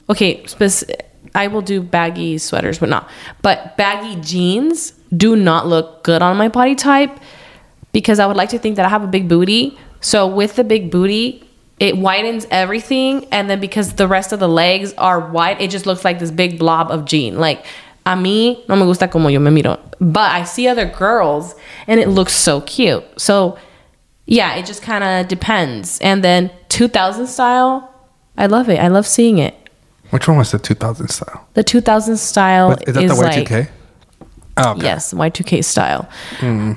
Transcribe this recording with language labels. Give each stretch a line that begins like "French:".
English: Okay, I will do baggy sweaters, but not. But baggy jeans do not look good on my body type, because I would like to think that I have a big booty. So with the big booty, it widens everything. And then because the rest of the legs are wide, it just looks like this big blob of jean. Like,
Spanish: a mí no me gusta como yo me miro.
English: But I see other girls and it looks so cute. So yeah, it just kind of depends. And then 2000 style, I love it. I love seeing it. Which one was the 2000 style? The 2000 style is that the Y2K? Like, oh, okay. Yes, Y2K style. Mm.